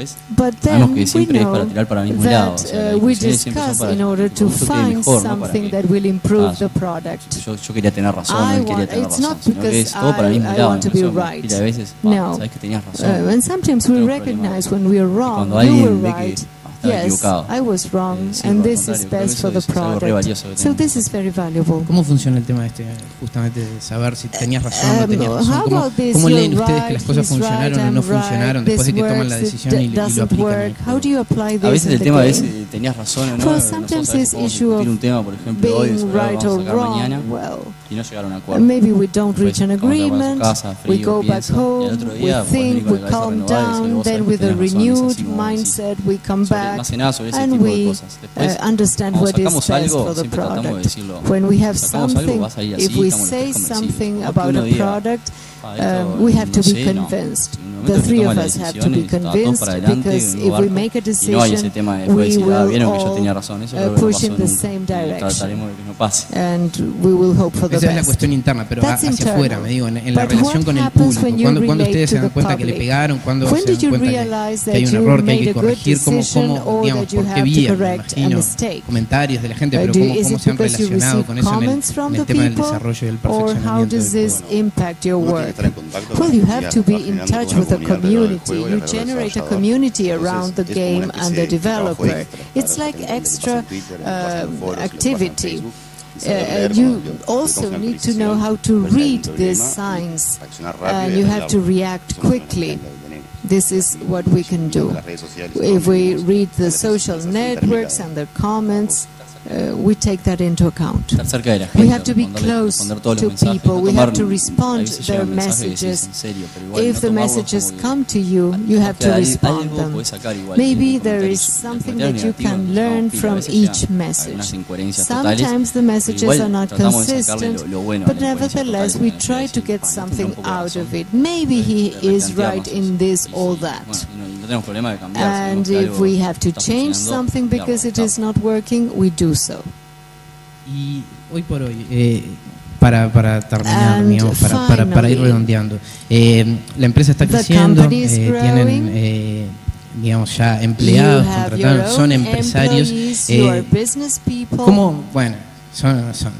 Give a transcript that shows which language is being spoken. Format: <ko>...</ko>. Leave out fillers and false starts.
<en>But then we know that we discuss in order to find something that will improve the product. It's not because I want to be right. No. And sometimes we recognize when we are wrong, you were right. Yes, I was wrong, and this is best for the product. So this is very valuable.</en> <es>¿Cómo funciona el tema este, justamente saber si tenías razón o no tenías razón? ¿Cómo leen ustedes que las cosas funcionaron o no funcionaron después de que toman la decisión y lo aplican?</es> <en>How do you apply this?</en> <es>A veces el tema es tenías razón o no.</es> <en>Sometimes this issue of being right or wrong. Well, maybe we don't reach an agreement. We go back home. We think. We calm down. Then with a renewed mindset, we come back. And we understand what is best for the product. When we have something, if we say something about a product, we have to be convinced. The three of us have to be convinced, because if we make a decision, we will all push in the same direction. And we will hope for the best.</en> <es>Esa es la cuestión interna, pero hacia afuera, me digo, en la relación con el público. Cuando ustedes se dan cuenta que le pegaron, cuando se dan cuenta que hay un error que hay que corregir, ¿cómo, digamos, por qué vía, me imagino, comentarios de la gente, pero cómo se han relacionado con eso en el tema del desarrollo y el perfeccionamiento del juego?</es> <en>Well, you have to be in touch with a community. You generate a community around the game and the developer. It's like extra activity. You also need to know how to read these signs, and you have to react quickly. This is what we can do. If we read the social networks and the comments, we take that into account. We have to be close to people. We have to respond to their messages. If the messages come to you, you have to respond them. Maybe there is something that you can learn from each message. Sometimes the messages are not consistent, but nevertheless, we try to get something out of it. Maybe he is right in this or that.</en> <es>tenemos problema de cambiar,</es> <en>and if we have to change something because it is not working, we do so.</en> <es>Y hoy por hoy, para terminar, digamos, para ir redondeando, la empresa está creciendo, tienen digamos ya empleados contratados, son empresarios, ¿cómo? Bueno, son</es>